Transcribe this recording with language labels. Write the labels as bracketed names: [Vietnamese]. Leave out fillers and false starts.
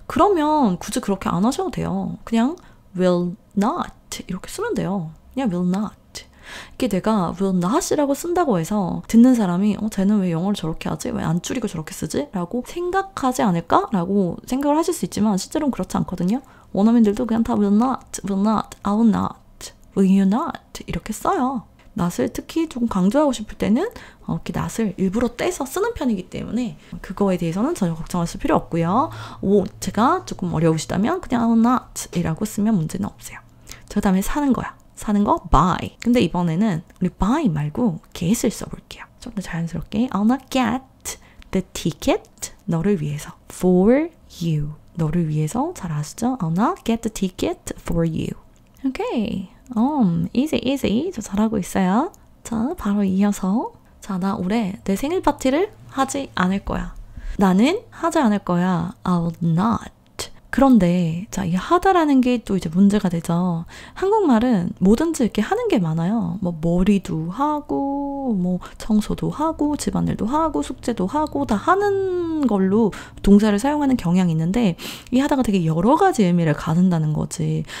[Korean] 그러면 굳이 그렇게 안 하셔도 돼요. 그냥 will not. 이렇게 쓰면 돼요. 그냥 will not. 이게 내가 will not이라고 쓴다고 해서 듣는 사람이 쟤는 왜 영어를 저렇게 하지? 왜 안 줄이고 저렇게 쓰지? 라고 생각하지 않을까? 라고 생각을 하실 수 있지만 실제로는 그렇지 않거든요. 원어민들도 그냥 다 [English] will not, will not, I will not, will you not [Korean] 이렇게 써요. not을 특히 조금 강조하고 싶을 때는 이렇게 not을 일부러 떼서 쓰는 편이기 때문에 그거에 대해서는 전혀 걱정하실 필요 없고요. won't가 조금 어려우시다면 그냥 [English] I will not [Korean] 이라고 쓰면 문제는 없어요. 저 다음에 사는 거야. 사는 거 buy. 근데 이번에는 우리 buy 말고 get을 써볼게요. 좀 더 자연스럽게 [English] I'll not get the ticket [Korean] 너를 위해서 [English] for you. [Korean] 너를 위해서 잘 아시죠? [English] I'll not get the ticket for you. Okay. Easy, easy. [Korean] 저 잘하고 있어요. 자, 바로 이어서 자, 나 올해 내 생일 파티를 하지 않을 거야. 나는 하지 않을 거야. [English] I'll not. [Korean] 그런데 자, 이 하다라는 게 또 이제 문제가 되죠. 한국말은 뭐든지 이렇게 하는 게 많아요. 뭐 머리도 하고 뭐 청소도 하고 집안일도 하고 숙제도 하고 다 하는 걸로 동사를 사용하는 경향이 있는데 이 하다가 되게 여러 가지 의미를 가진다는 거지.